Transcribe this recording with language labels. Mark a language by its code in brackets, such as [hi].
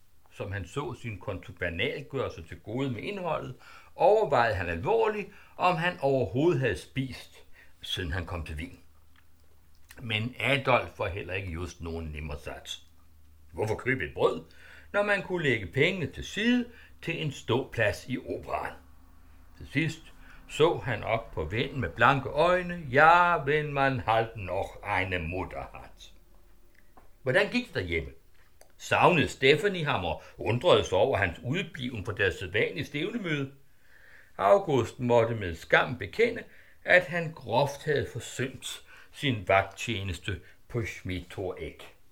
[da] Som han så sin kontubernalgørelse til gode med indholdet, overvejede han alvorligt, om han overhovedet havde spist, siden han kom til Wien. Men Adolf var heller ikke just nogen nemmer sats. Hvorfor købe et brød, når man kunne lægge pengene til side til en ståplads i operaen? Til sidst så han op på vennen med blanke øjne. [de] Ja, wenn man halt noch eine Mutter hat. [da] Hvordan gik det derhjemme? Savnede Stephanie ham og undrede sig over hans udbliven fra deres sædvanlige stævnemøde? August måtte med skam bekende, at han groft havde forsømt sin vagttjeneste på Schmidtor Eck.